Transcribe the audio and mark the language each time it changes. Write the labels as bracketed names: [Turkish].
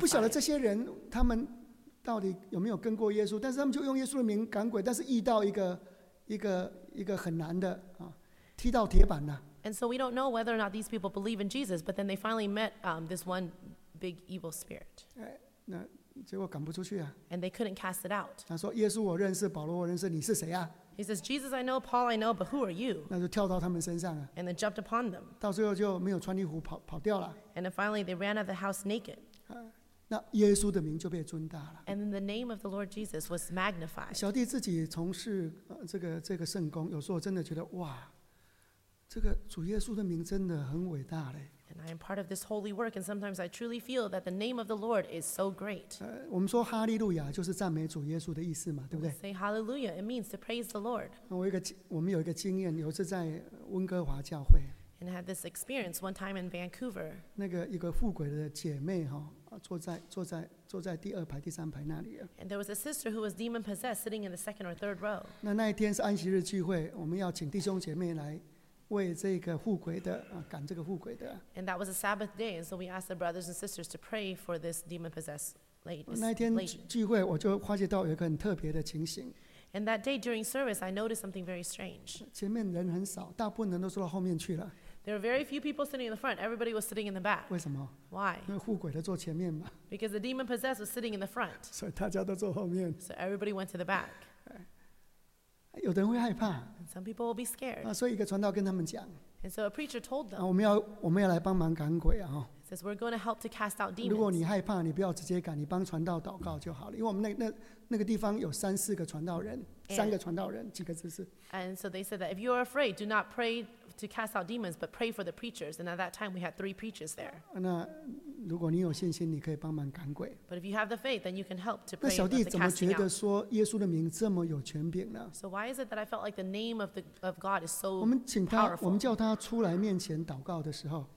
[Chinese] 不晓得这些人他们到底有没有跟过耶稣，但是他们就用耶稣的名赶鬼，但是遇到一个很难的啊，踢到铁板呐。 [English] And so we don't know whether or not these people believe in Jesus, but then they finally met this one big evil spirit. [Chinese] 哎，那结果赶不出去啊。 [English] And they couldn't cast it out. [Chinese] 他说：“耶稣我认识，保罗我认识，你是谁啊？” [English] He says, "Jesus, I know. Paul, I know. But who are you?" [Chinese] 那就跳到他们身上啊。 [English] And then jumped upon them. [Chinese] 到最后就没有穿衣服跑掉了。 [English] And then finally they ran out of the house naked. [Chinese] 那耶稣的名就被尊大了。 [English] And then the name of the Lord Jesus was magnified. [Chinese] 小弟自己从事这个圣工，有时候真的觉得哇，这个主耶稣的名真的很伟大嘞。 [English] And I am part of this holy work, and sometimes I truly feel that the name of the Lord is so great. [Chinese] 我们说哈利路亚就是赞美主耶稣的意思嘛，对不对 [English] ？Say hallelujah, it means to praise the Lord. [Chinese] 我们有一个经验，有一次在温哥华教会。 [English] And had this experience one time in Vancouver. [Chinese] 那个一个富贵的姐妹哈、哦，坐在第二排、第三排那里。 [English] And there was a sister who was demon possessed, sitting in the second or third row. [Chinese] 那一天是安息日聚会，我们要请弟兄姐妹来。为这个富贵的啊，赶这个富贵的。 [English] And that was a Sabbath day, and so we asked the brothers and sisters to pray for this demon-possessed lady. [Chinese] 那天聚会，我就发觉到有一个很特别的情形。 [English] And that day during service, I noticed something very strange. [Chinese] 前面人很少，大部分人都坐到后面去了。 [English] There were very few people sitting in the front. Everybody was sitting in the back. [Chinese] 为什么 [English] ？Why? [Chinese] 因为富贵的坐前面嘛。 [English] Because the demon-possessed was sitting in the front. [Chinese] 所以大家都坐后面。 [English] So everybody went to the back. [Chinese] 有的人会害怕。 [English] Some people will be scared. [Chinese] 所以一个传道跟他们讲。 [English] And so a preacher told them. [Chinese] 我们要来帮忙赶鬼啊！哈。 [English] Says we're going to help to cast out demons. [Chinese] 如果你害怕，你不要直接赶，你帮传道祷告就好了。因为我们那个地方有三四个传道人，三个传道人，几个就是。 [English] And so they said that if you are afraid, do not pray to cast out demons, but pray for the preachers. And at that time, we had three preachers there. [Chinese] 那如果你有信心，你可以帮忙赶鬼。 [English] But if you have the faith, then you can help to pray. [Chinese] 那小弟怎么觉得说耶稣的名这么有权柄呢 [English] ？So why is it that I felt like the name of God is so powerful? [Chinese] 我们叫他出来面前祷告的时候。